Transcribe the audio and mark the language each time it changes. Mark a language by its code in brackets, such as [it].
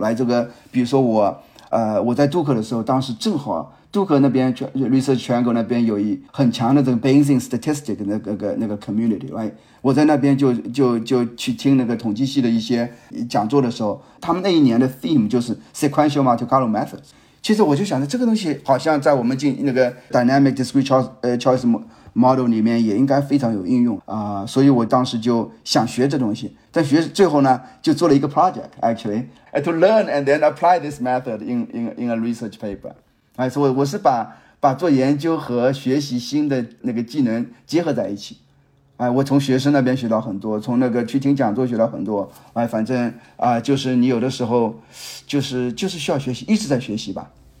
[zh] 来这个，比如说我在杜克的时候，当时正好杜克那边Research Triangle 那边有一很强的这个 Bayesian statistic 那个 community， 来我在那边就去听那个统计系的一些讲座的时候，他们那一年的 theme 就是 sequential Monte Carlo methods。其实我就想着这个东西好像在我们进那个 dynamic discrete choice model 里面也应该非常有应用啊，所以我当时就想学这东西。但学最后呢，就做了一个 [en] project actually to learn and then apply this method in a research paper。 [zh] 哎，所以我是把做研究和学习新的那个技能结合在一起。哎，我从学生那边学到很多，从那个去听讲座学到很多。哎，反正就是你有的时候就是需要学习，一直在学习吧。